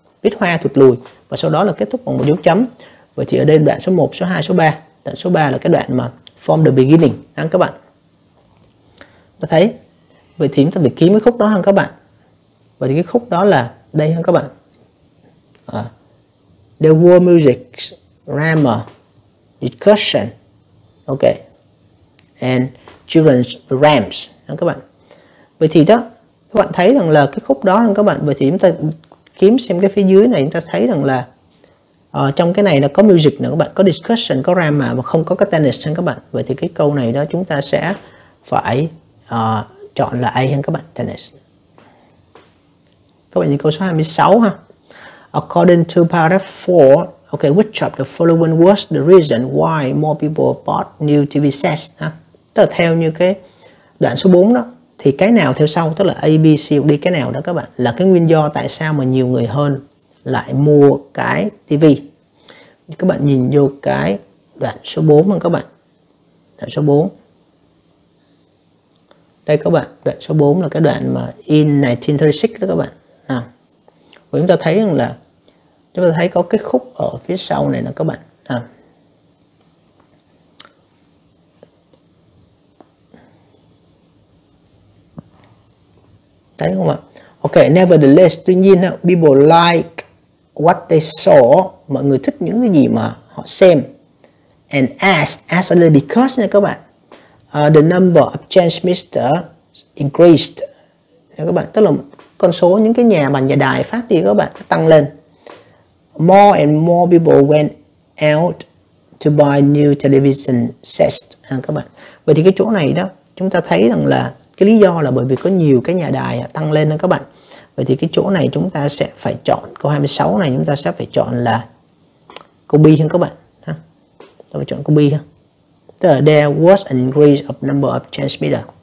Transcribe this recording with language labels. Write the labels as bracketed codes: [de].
[vi] Viết hoa thụt lùi và sau đó là kết thúc bằng một dấu chấm. Vậy thì ở đây đoạn số 1, số 2, số 3. Đoạn số 3 là cái đoạn mà from the beginning ha các bạn. Ta thấy. Vậy thì chúng ta phải kiếm cái khúc đó ha các bạn. Vậy thì cái khúc đó là đây ha các bạn. [en] There were music, grammar, discussion, okay, and children's rhymes, [vi] các bạn. Vậy thì đó, các bạn thấy rằng là cái khúc đó, các bạn. Vậy thì chúng ta kiếm xem cái phía dưới này, chúng ta thấy rằng là trong cái này là có music nữa, các bạn, có discussion, có grammar mà không có cái tennis, các bạn. Vậy thì cái câu này đó chúng ta sẽ phải chọn là A, các bạn, tennis. Các bạn nhìn câu số 26 ha. [en] According to paragraph 4, okay, which of the following was the reason why more people bought new TV sets? Huh? [vi] Tức là theo như cái đoạn số 4 đó, thì cái nào theo sau, tức là A, B, C, D, cái nào đó các bạn, là cái nguyên do tại sao mà nhiều người hơn lại mua cái TV. Các bạn nhìn vô cái đoạn số 4 không các bạn? Đoạn số 4. Đây các bạn, đoạn số 4 là cái đoạn mà in 1936 đó các bạn. Và chúng ta thấy rằng là chúng ta thấy có cái khúc ở phía sau này nè các bạn. À. Thấy không ạ? Ok, nevertheless, tuy nhiên [en] people like what they saw, [vi] mọi người thích những cái gì mà họ xem. [en] And as a little because [vi] nè các bạn. [en] The number of transmitters increased. [vi] Nè các bạn, tức là con số những cái nhà mà nhà đài phát đi các bạn tăng lên. [en] More and more people went out to buy new television sets [vi] ha các bạn. Vậy thì cái chỗ này đó chúng ta thấy rằng là cái lý do là bởi vì có nhiều cái nhà đài tăng lên đó các bạn. Vậy thì cái chỗ này chúng ta sẽ phải chọn câu 26 này, chúng ta sẽ phải chọn là câu B hơn các bạn ha. Ta phải chọn câu B ha. Tức là [en] there was an increase of number of transmitter.